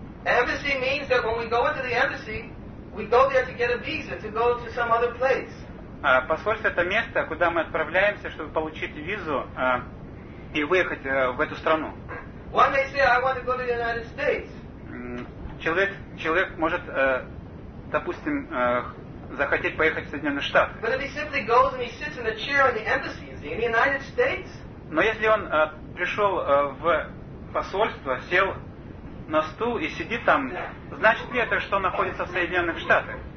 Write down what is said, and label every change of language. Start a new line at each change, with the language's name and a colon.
English: Embassy means that when we go into the embassy, we go there to get a visa to go to some other place.
Russian: Посольство это место, куда мы отправляемся, чтобы получить визу и выехать в эту страну.
English: One may say, I want to go to the United States.
Russian: Человек может, допустим, захотеть поехать в Соединенные Штаты.
English: But if he simply goes and he sits in a chair in the embassy, is he in the United States?
Russian: Но если он пришел в посольство, сел на стул и сидит там, значит ли это, что находится в Соединенных Штатах?